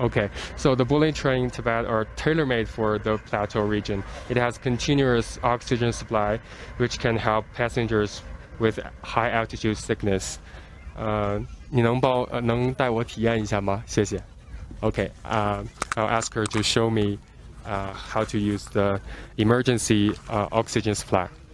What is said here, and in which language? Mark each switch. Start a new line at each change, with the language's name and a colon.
English: Okay, so the bullet train in Tibet are tailor-made for the plateau region. It has continuous oxygen supply, which can help passengers with high altitude sickness.
Chinese: 你能带我体验一下吗？谢谢。
English: Okay, I'll ask her to show me how to use the emergency oxygen supply.